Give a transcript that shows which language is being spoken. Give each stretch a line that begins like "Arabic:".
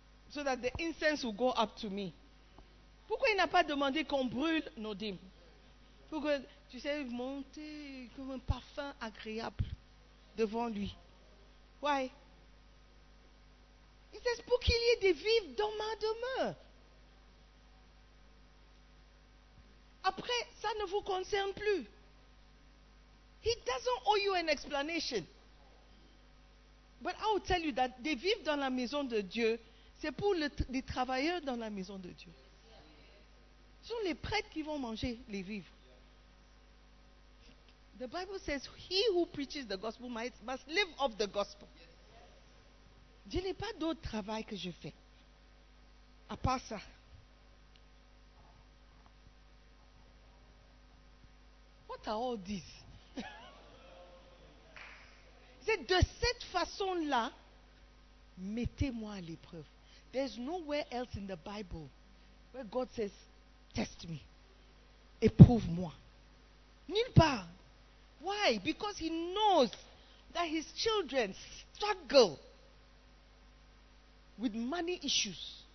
English: So that the incense will go up to me.
French: Pourquoi il n'a pas demandé qu'on brûle nos dîmes? Pour que, tu sais, monter comme un parfum agréable devant lui.
English: Why?
French: Il dit, pour qu'il y ait des vivres dans ma demeure. Après, ça ne vous concerne plus.
English: He doesn't owe you an explanation. But I will tell you that
French: des vivres dans la maison de Dieu, c'est pour les travailleurs dans la maison de Dieu. Ce sont les prêtres qui vont manger les vivres.
English: The Bible says, he who preaches the gospel must live off the gospel.
French: Je n'ai pas d'autre travail que je fais. À part ça.
English: What are all these?
French: C'est de cette façon-là, mettez-moi à l'épreuve.
English: There's nowhere else in the Bible where God says, test me.
French: Éprouve-moi. Nulle part.
English: Why? Because he knows that his children struggle with money issues.